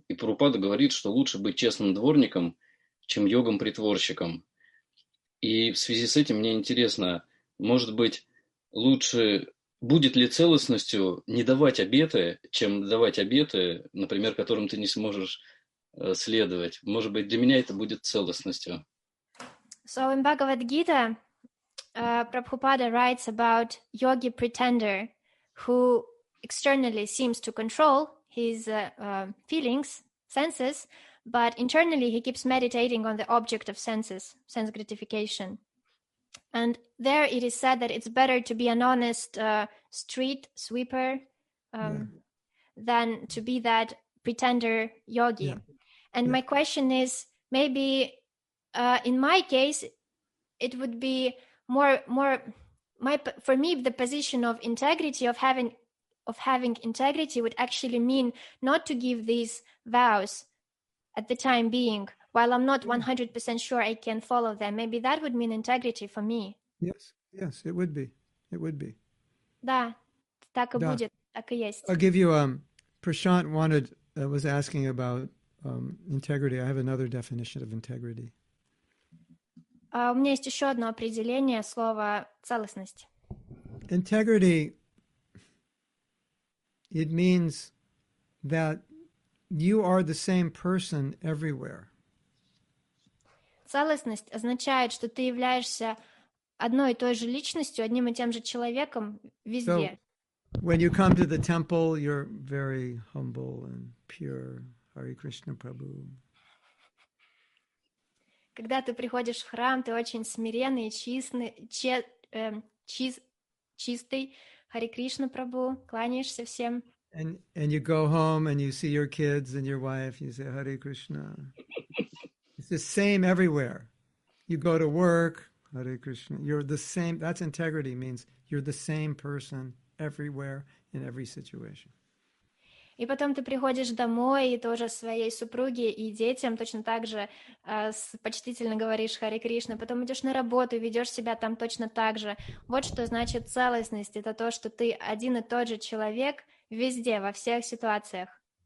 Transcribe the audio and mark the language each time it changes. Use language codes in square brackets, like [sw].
[ru] И Прабхупада говорит, что лучше быть честным дворником, чем йогом-притворщиком. И в связи с этим мне интересно, может быть, лучше будет ли целостностью не давать обеты, чем давать обеты, например, которым ты не сможешь следовать? Может быть, для меня это будет целостностью? [en] So in Bhagavad Gita, Prabhupada writes about yogi pretender who externally seems to control his feelings, senses, but internally he keeps meditating on the object of senses, sense gratification. And there it is said that it's better to be an honest street sweeper than to be that pretender yogi. Yeah. And my question is, maybe in my case, it would be more for me the position of integrity, of having integrity would actually mean not to give these vows at the time being, while I'm not 100% sure I can follow them. Maybe that would mean integrity for me. Yes, it would be. It would be. [ru] Да, так и будет, так и есть. [en] I'll give you, Prashant wanted, was asking about integrity. I have another definition of integrity. [ru] У меня есть еще одно определение слова целостность. [en] Integrity, it means that you are the same person everywhere. [ru] Целостность означает, что ты являешься одной и той же личностью, одним и тем же человеком везде. [en] So, when you come to the temple, you're very humble and pure, Hare Krishna Prabhu. [ru] Когда ты приходишь в храм, ты очень смиренный, чистый, Hare Krishna Prabhu, кланяешься всем. [en] And you go home and you see your kids and your wife, you say Hare Krishna. It's the same everywhere. You go to work, Hare Krishna. You're the same. That's integrity, means you're the same person everywhere in every situation. [ru] И потом ты приходишь домой и тоже своей супруге и детям точно так же почтительно говоришь Харе Кришна. Потом идешь на работу и ведешь себя там точно так же. Вот что значит целостность. Это то, что ты один и тот же человек везде, во всех ситуациях.